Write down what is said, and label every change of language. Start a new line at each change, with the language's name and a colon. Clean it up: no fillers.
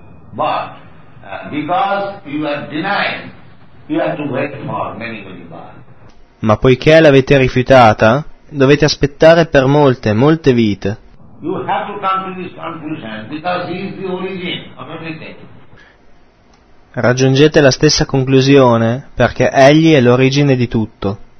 English: But because you are denied, you have to wait for many
Italian: vite. Ma poiché l'avete rifiutata, dovete aspettare per molte vite.
English: You have to come to this conclusion because he is the origin of everything.
Italian: Raggiungete la stessa conclusione perché egli è l'origine di tutto.